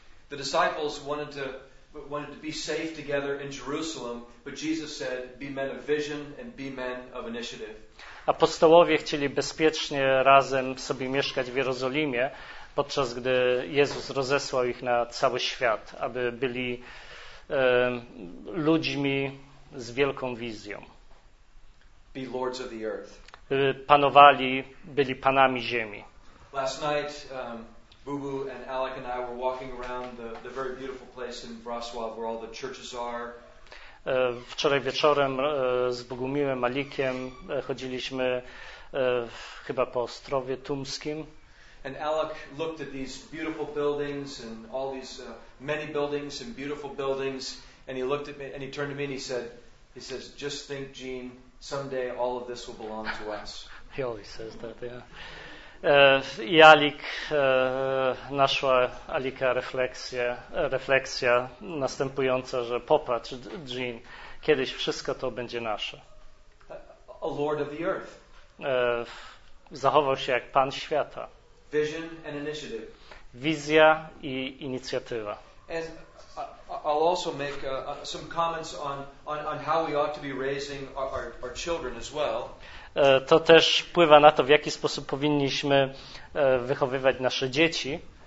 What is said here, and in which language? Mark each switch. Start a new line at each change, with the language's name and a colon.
English: The disciples wanted to be safe together in Jerusalem, but Jesus said, be men of vision and be men of initiative.
Polish: Apostołowie chcieli bezpiecznie razem sobie mieszkać w Jerozolimie, podczas gdy Jezus rozesłał ich na cały świat, aby byli ludźmi z wielką wizją.
English: Be lords of the earth.
Polish: Panowali, byli panami ziemi.
English: Last night, Bubu and Alec and I were walking around the very beautiful place in Wrocław where all the churches are.
Polish: Wczoraj wieczorem z Bogumiłem, Alikiem chodziliśmy chyba po Ostrowie Tumskim.
English: And Alec looked at these beautiful buildings and all these many buildings and beautiful buildings, and he looked at me and he turned to me and he says, just think, Gene, someday all of this will belong to us. He always says that, yeah.
Polish: I Alik, naszła Alika refleksja następująca, że popatrz, Jean, kiedyś wszystko to będzie nasze.
English: A lord of the earth.
Polish: Zachował się jak pan świata.
English: Vision and initiative.
Polish: Wizja i inicjatywa.
English: And I'll also make some comments on how we ought to be raising our children as well.
Polish: To też wpływa na to, w jaki sposób powinniśmy wychowywać nasze dzieci.